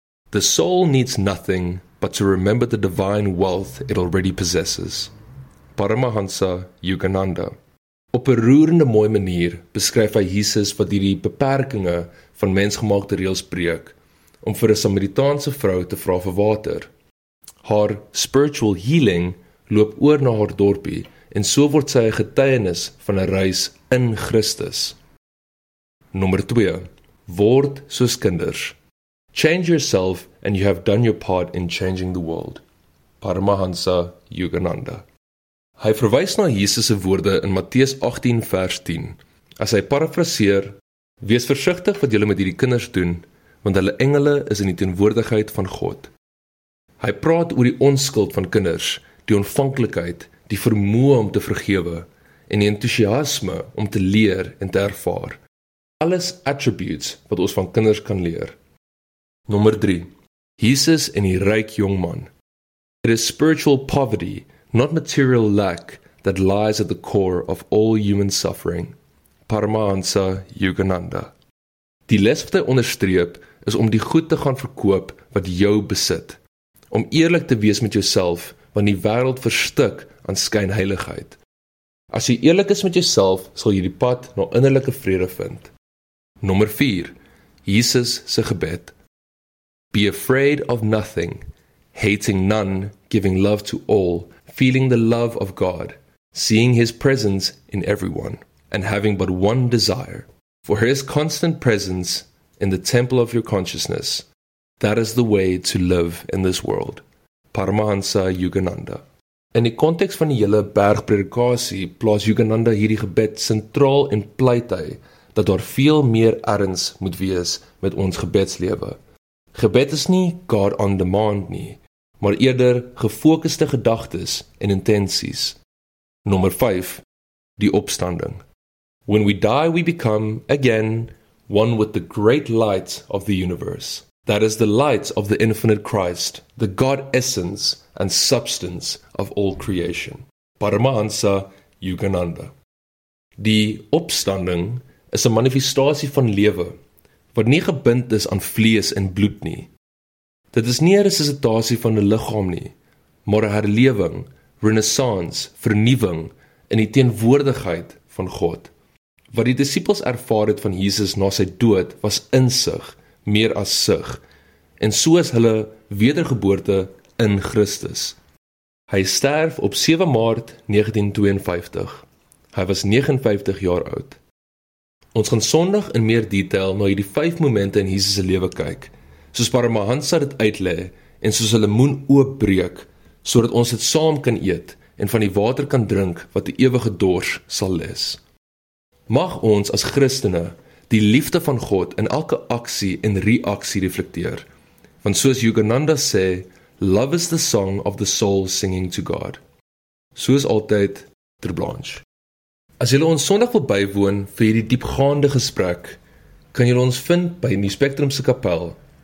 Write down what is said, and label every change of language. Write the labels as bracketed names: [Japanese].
[English] The soul needs nothing but to remember the divine wealth it already possesses. Paramahansa Yogananda. [Afrikaans] Op 'n roerende mooi manier beskryf hy Jesus wat hierdie beperkinge van mensgemaakte reëls breek, om vir 'n Samaritaanse vrou te vra vir water. Haar spiritual healing loop oor na haar dorpie, en so word sy 'n getuienis van 'n reis in Christus. Nommer 2. Word soos kinders. [English] Change yourself and you have done your part in changing the world. Paramahansa Yogananda. [Afrikaans] Hy verwys na Jesus se woorde in Matteus 18 vers 10. As hy parafraseer, wees versigtig wat julle met hierdie kinders doen, want hulle engele is in die teenwoordigheid van God. Hy praat oor die onskuld van kinders, die ontvanklikheid, die vermoë om te vergewe en die entoesiasme om te leer en te ervaar. Alles attributes wat ons van kinders kan leer. Nommer 3. Jesus en die ryk jong man. [English] It is spiritual poverty, not material lack, that lies at the core of all human suffering. Paramahansa Yogananda. [Afrikaans] Die les wat hy onderstreep is om die goed te gaan verkoop wat jou besit. Om eerlik te wees met jouself, want die wêreld verstik aan skynheiligheid. As jy eerlik is met jouself, sal jy die pad na innerlike vrede vind. Nommer 4. Jesus se gebed. [English] Be afraid of nothing, hating none, giving love to all, feeling the love of God, seeing his presence in everyone, and having but one desire, for his constant presence in the temple of your consciousness. That is the way to live in this world. [Afrikaans] Paramahansa Yogananda. In die konteks van die hele bergpredikasie plaas Yogananda hierdie gebed sentraal en pleit hy dat daar veel meer erns moet wees met ons gebedslewe. Gebed is nie God on demand nie, maar eerder gefokuste gedagtes en intensies. Nommer 5. Die opstanding. [English] When we die, we become, again, one with the great light of the universe. That is the light of the infinite Christ, the God essence and substance of all creation. Paramahansa Yogananda. [Afrikaans] Die opstanding is 'n manifestasie van lewe, wat nie gebind is aan vlees en bloed nie. Dit is nie 'n resusitasie van 'n liggaam nie, maar 'n herlewing, renaissance, vernuwing in die teenwoordigheid van God. Wat die disippels ervaar het van Jesus na sy dood was insig, meer as sug, en so is hulle wedergeboorte in Christus. Hy sterf op 7 Maart 1952. Hy was 59 jaar oud. Ons gaan Sondag in meer detail na hierdie 5 momente in Jesus se lewe kyk, soos Paramahansa dit uitlê en soos hulle lemoen oopbreek, sodat ons dit saam kan eet en van die water kan drink wat 'n ewige dors sal les. Mag ons as Christene die liefde van God in elke aksie en reaksie reflekteer. Want soos Yogananda sê, [English] love is the song of the soul singing to God. [Afrikaans] Soos altyd, Ter Blanche. As jy ons Sondag wil bywoon vir hierdie diepgaande gesprek, kan jy ons vind by die Spectrum se kapel.